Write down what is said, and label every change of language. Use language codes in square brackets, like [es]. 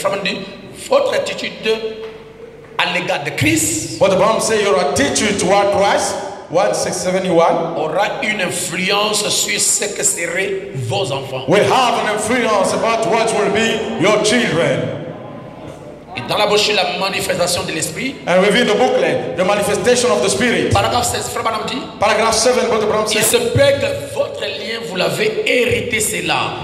[fr] Branham dit votre attitude à l'égard de Christ. [en] Brother Branham said your attitude toward Christ. 1671 [fr] aura une influence sur ce que seraient vos enfants. [en] We have an influence about what will be your children. [fr] Et dans la brochure la manifestation de l'esprit. [en] And within the booklet, the manifestation of the spirit. [fr] Paragraphe 16, frère Branham dit. [en] Paragraph 7, Brother Branham said. [fr] Il se peut que votre lien vous l'avez hérité cela.